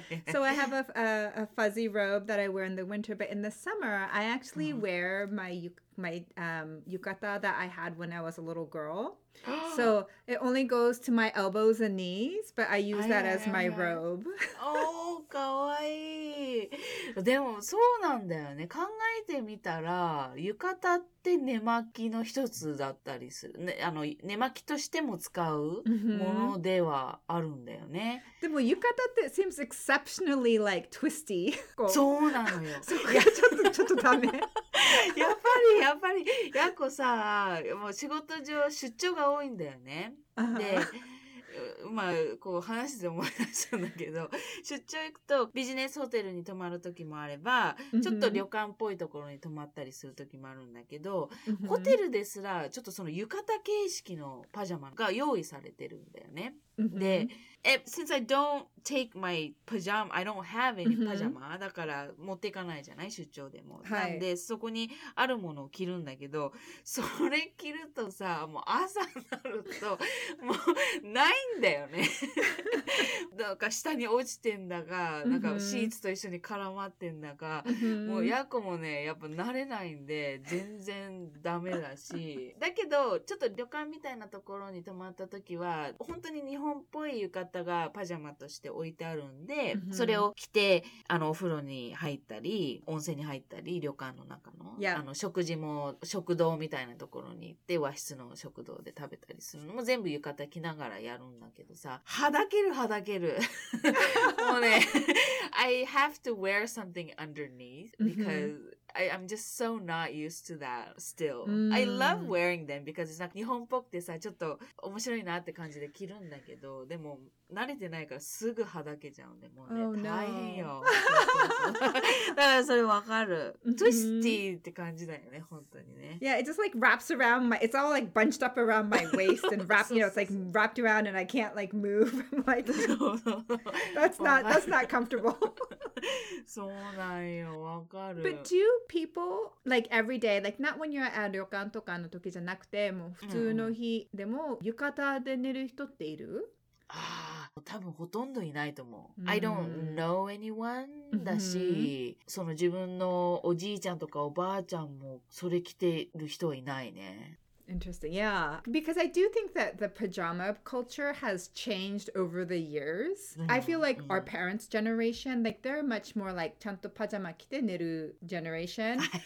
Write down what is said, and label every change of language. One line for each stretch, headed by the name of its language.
English: So I have a fuzzy robe that I wear in the winter, but in the summer, I actually wear my yukata that I had when I was a little girl. So it only goes to my elbows and knees, but I use that as my robe.
Japanese: Oh, かわいい。でもそうなんだよね。考えてみたら、浴衣って寝巻きの一つだったりする。ね、あの、寝巻きとしても使うものではあるんだよね。でも浴衣って
English: seems exceptionally like twisty.
Japanese: そうなのよ。そこがちょっとダメ。やっぱり、やっこさ、もう仕事上出張が多いんだよね。で、まあ、こう話して思い出したんだけど、出張行くとビジネスホテルに泊まる時もあれば、ちょっと旅館っぽいところに泊まったりする時もあるんだけど、ホテルですら、ちょっとその浴衣形式のパジャマが用意されてるんだよね。
English: で、since I don't take my pajama, I don't have any pajama,
Japanese: だから持っていかないじゃない、出張でも。はい、なんで、そこにあるものを着るんだけど、それ着るとさ、もう朝になると、もうないんだよね。なんか下に落ちてんだが、なんかシーツと一緒に絡まってんだが、もうヤコもね、やっぱ慣れないんで、全然ダメだし。だけど、ちょっと旅館みたいなところに泊まった時は、本当に日本っぽい浴衣がパジャマとして置いてあるんで、それを着て、あの、お風呂に入ったり、温泉に入ったり、旅館の中の、
English: yeah.
Japanese: あの、食事も、食堂みたいなところに行って、和室の食堂で食べたりするのも全部浴衣着ながらやるんだけどさ、はだけるはだける。
English: もうね、I have to wear something underneath because I'm just so not used to that still. I love wearing them because it's like
Japanese: 日本っぽくてさ、ちょっと面白いなって感じで着るんだけど、でも慣れてないからすぐはだけちゃうんで、もうね、大変よ。だからそれわかる。Twisty って感じだよね、本当にね。
English: Yeah, it just like wraps around my, it's all like bunched up around my waist and wrapped, you know, it's like wrapped around and I can't like move. Like, that's not comfortable.
Japanese: そうなんよ、わかる。
English: But do you people like every day, like not when you're at
Japanese: 旅館とかの時じゃなくて、もう普通の日でも浴衣で寝る人っている？ああ、多分ほとんどいないと思う。
English: I don't know anyone
Japanese: だし、その自分のおじいちゃんとかおばあちゃんもそれ着てる人はいないね。
English: Interesting. Yeah. Because I do think that the pajama culture has changed over the years. Mm-hmm. I feel like our parents' generation, like they're much more like
Japanese: ちゃんとパジャマ着て寝る
English: generation.